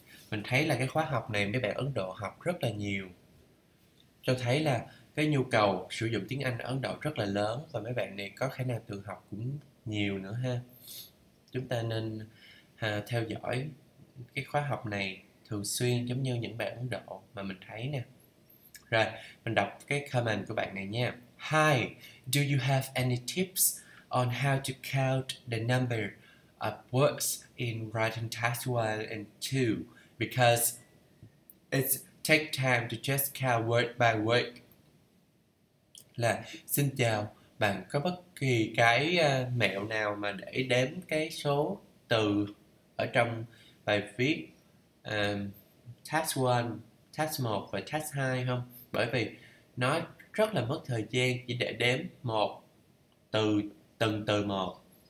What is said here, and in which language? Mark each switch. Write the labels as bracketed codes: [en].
[vi] Mình thấy là cái khóa học này mấy bạn Ấn Độ học rất là nhiều. Tôi thấy là cái nhu cầu sử dụng tiếng Anh ở Ấn Độ rất là lớn và mấy bạn này có khả năng tự học cũng nhiều nữa ha. Chúng ta nên theo dõi cái khóa học này thường xuyên giống như những bạn Ấn Độ mà mình thấy nè. Rồi, mình đọc cái comment của bạn này nha. [en] Hi, do you have any tips on how to count the number of words in writing task one and two? Because it takes time to just count word by word. [vi] Là, xin chào, bạn có bất kỳ cái mẹo nào mà để đếm cái số từ ở trong bài viết task 1, task 1 và task 2 không? Bởi vì nó rất là mất thời gian chỉ để đếm một từ, từng từ một.